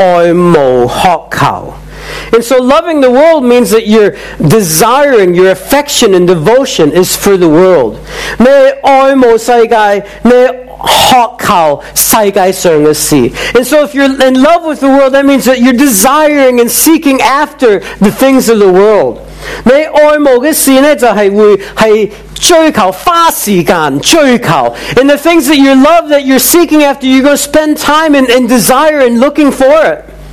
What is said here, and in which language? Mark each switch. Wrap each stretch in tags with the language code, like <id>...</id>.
<zh>爱世界的意思就是爱慕渴求。</zh> <en>And so loving the world means that your desiring, your affection and devotion is for the world.</en> <zh>你爱慕世界，你渴求世界上的事。</zh> <en>And so if you're in love with the world, that means that you're desiring and seeking after the things of the world.</en> <zh>你爱慕的事呢，就是会追求花时间追求。</zh> <en>And the things that you love, that you're seeking after, you're going to spend time and desire and looking for it.</en>